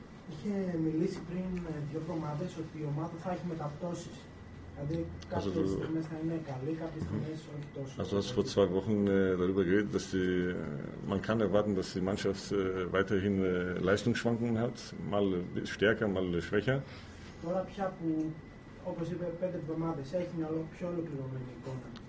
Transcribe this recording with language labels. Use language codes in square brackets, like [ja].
[el] Είχε μιλήσει πριν δύο εβδομάδες ότι η ομάδα θα έχει μεταπτώσεις. Δηλαδή κάποιες στιγμές θα είναι καλή, κάποιες στιγμές όχι τόσο. [de] Also hast du vor zwei Wochen darüber geredet, dass die, man kann erwarten, dass die Mannschaft weiterhin Leistungsschwankungen hat, mal stärker, mal schwächer. [el] Τώρα πια που, όπως είπε, πέντε εβδομάδες έχει μια πιο ολοκληρωμένη εικόνα.